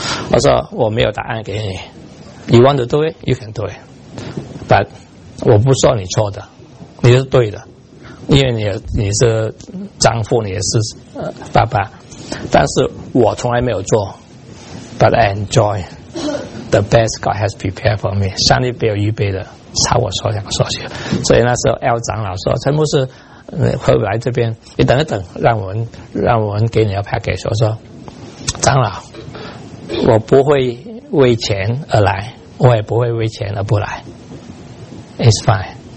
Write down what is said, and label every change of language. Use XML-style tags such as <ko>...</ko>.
<zh>我说我没有答案给你。</zh> <en>You want to do it? You can do it.</en> <zh>But 我不说你错的，你是对的，因为你是丈夫，你也是爸爸。但是我从来没有做 ，</zh> <en>But I enjoy。 The best God has prepared for me，</en> <zh>上帝没有预备的，朝我所想所求。所以那时候 L 长老说：“陈牧师，会不会来这边？你等一等，让我们给你要 package。” 我说：“长老，我不会为钱而来，我也不会为钱而不来。</zh> <en>It's fine。</en>